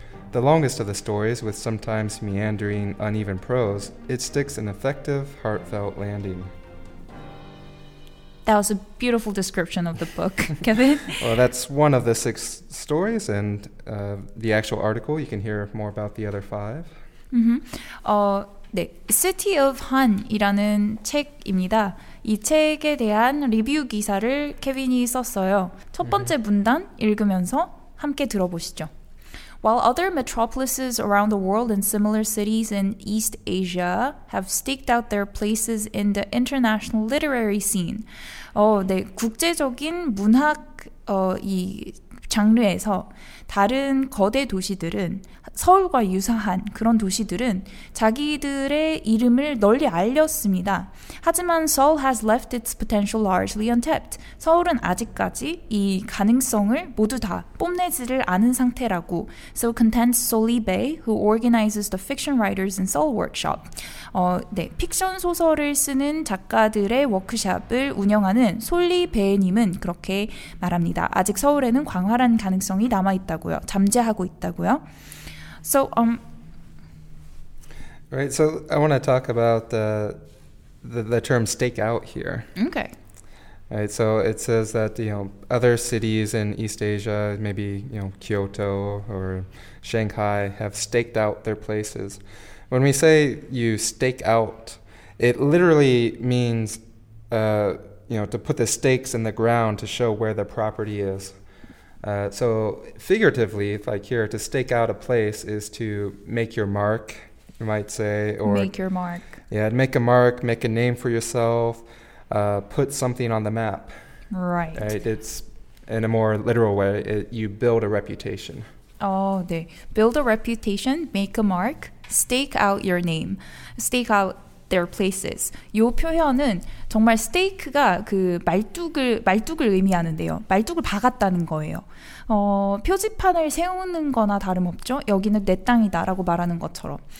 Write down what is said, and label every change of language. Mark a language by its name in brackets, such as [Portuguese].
[English] The longest of the stories, with sometimes meandering, uneven prose, it sticks an effective, heartfelt landing. That was a beautiful description of the book, Kevin. Well, that's one of the six stories, and the actual article, you can hear more about the other five. [Korean] Mm-hmm. 네, City of Han이라는 책입니다. 이 책에 대한 리뷰 기사를 케빈이 썼어요. 첫 번째 문단 읽으면서 함께 들어보시죠. [English] While other metropolises around the world and similar cities in East Asia have staked out their places in the international literary scene. [Korean] 네, 국제적인 문학 이 장르에서 다른 거대 도시들은 서울과 유사한 그런 도시들은 자기들의 이름을 널리 알렸습니다. 하지만 [English] Seoul has left its potential largely untapped. [Korean] 서울은 아직까지 이 가능성을 모두 다 뽐내지를 않은 상태라고. [English] So contends So Lee Bae, who organizes the Fiction Writers in Seoul workshop. [Korean] 네, 픽션 소설을 쓰는 작가들의 워크샵을 운영하는 솔리 베이님은 그렇게 말합니다. 아직 서울에는 광활한 가능성이 남아 있다고요. 잠재하고 있다고요. [English] So, right. So, I want to talk about the term "stake out" here. Okay. Right. So it says that other cities in East Asia, maybe Kyoto or Shanghai, have staked out their places. When we say you stake out, it literally means to put the stakes in the ground to show where the property is. So figuratively, like here, to stake out a place is to make your mark, you might say. Yeah, to make a mark, make a name for yourself, put something on the map. Right. Right. It's in a more literal way, you build a reputation. Oh, 네. Build a reputation, make a mark, stake out your name, stake out their places. [Korean] 요 표현은 정말 stake가 그 말뚝을 의미하는데요. 말뚝을 박았다는 거예요. 표지판을 세우는 거나 다름없죠. 여기는 내 땅이다 라고 말하는 것처럼.